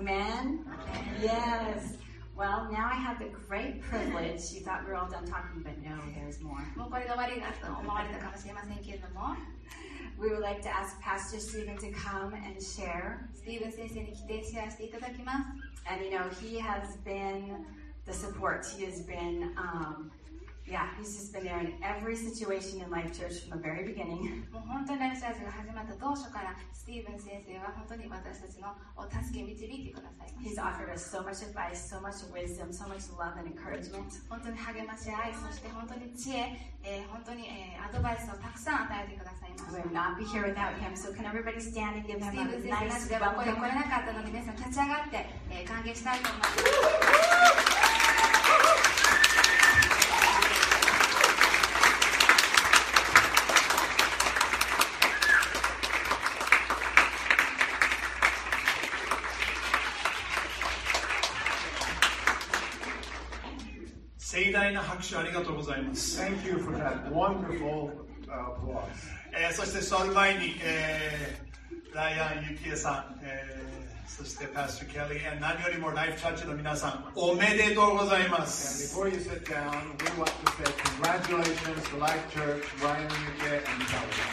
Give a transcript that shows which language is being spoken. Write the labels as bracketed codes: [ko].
[en] Amen? Yes! Well, now I have the great privilege. You thought we were all done talking, but no, there's more. [ja] もうこれが終わりだと思われたかもしれませんけれども [en] We would like to ask Pastor Stephen to come and share. [ja] Stephen 先生に来てシェアしていただきます [en] And you know, he has been the support. He has been, he's just been there in every situation in Life Church from the very beginning. [ja] もう本当にライフチャージが始まった当初から Stephen 先生は本当に私たちのお助け導いてください [en] He's offered us so much advice, so much wisdom, so much love and encouragement. [ja] 本当に励まし合い、そして本当に知恵、本当にアドバイスをたくさん与えてくださいました。 [en] We would not be here without him. So can everybody stand and give him a nice welcome? [ja] Steve 先生ではここに来れなかったので、皆さん立ち上がって、歓迎したいと思います。大な拍手ありがとうございます。 [en] Thank you for that wonderful applause. [ja] そして座る前に、ライアン、ユキエさん、そしてパスター・ケリー、何よりもライフチャーチの皆さん、おめでとうございます。 [en] And before you sit down, we want to say congratulations to Life Church, Ryan, ユキエ、and Kelly.